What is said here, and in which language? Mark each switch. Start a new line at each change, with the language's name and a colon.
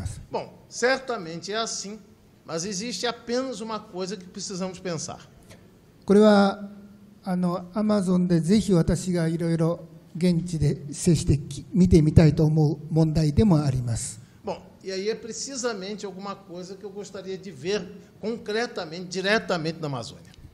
Portuguese: Bom, certamente é assim, mas existe apenas uma coisa que precisamos pensar.
Japanese: これはアマゾンでぜひ私がいろいろ現地で接して見てみたいと思う問題でもあります。
Portuguese: Bom, e aí é precisamente alguma coisa que eu gostaria de ver concretamente, diretamente na Amazônia.